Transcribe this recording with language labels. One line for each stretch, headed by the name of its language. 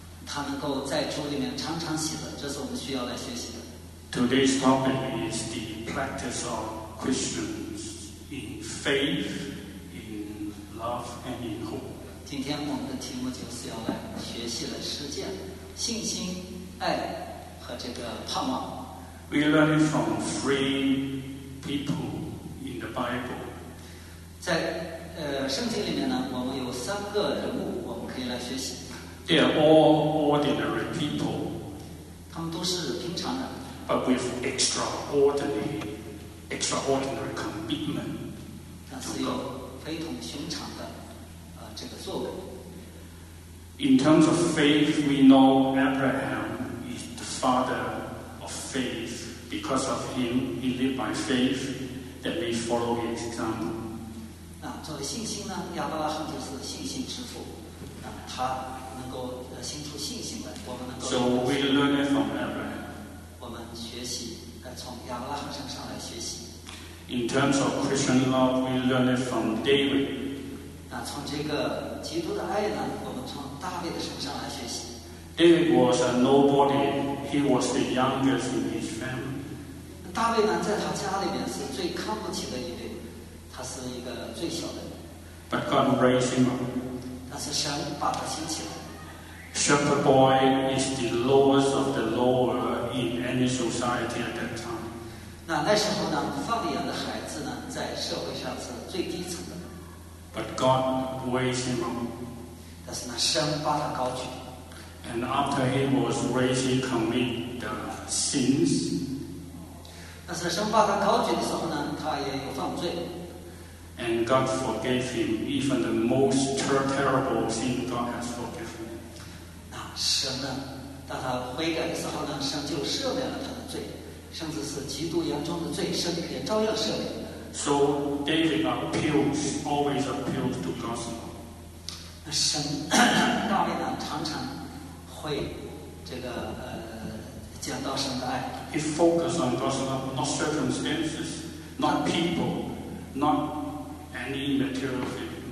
Chinese: 她能够在主里面常常喜乐，这是我们需要来学习的。
English: Today's topic is the practice of Christians in faith, in love, and in hope.
Chinese: 今天我们的题目就是要来学习了实践，信心、爱和这个盼望。
English: We learn from three people. Bible.
Chinese: 在圣经里面呢，我们有三个人物，我们可以来学习。
English: They are all ordinary people.
Chinese: 他们都是平常人。
English: But with extraordinary commitment.
Chinese: 但是有非同寻常的这个作为。
English: In terms of faith, we know Abraham is the father of faith. Because of him, he lived by faith. That we follow his example.
Chinese: 那作为信心呢？亚伯拉罕就是信心之父。那他能够行出信心来，我们能够。
English: So we learn from Abraham.
Chinese: 我们学习，从亚伯拉罕身上来学习。
English: In terms of Christian love, we learn from David.
Chinese: 那从这个基督的爱呢？我们从大卫的身上来学习。
English: David was a nobody. He was the youngest in his family.
Chinese: 大卫呢，在他家里面是最看不起的一位，他是一个最小的。
English: But God raised him up.
Chinese: 但是神把他兴起来。
English: Shepherd boy is the lowest of the lower in any society at that time.
Chinese: 那时候呢，放羊的孩子呢，在社会上是最低层的。
English: But God raised him up.
Chinese: 但是呢，神把他高举。
English: And after he was raised, he committed the sins.
Chinese: 但是神把他高举的时候呢，他也有犯罪。
English: And God forgave him even the most terrible sin God has forgiven him.
Chinese: 那神呢，当他悔改的时候呢，神就赦免了他的罪，甚至是极度严重的罪，神也照样赦免。
English: So David always appeals to God's love.
Chinese: 那神大卫呢，常常会这个讲到神的爱。
English: He focused on God's love, not circumstances, not people, not any material thing.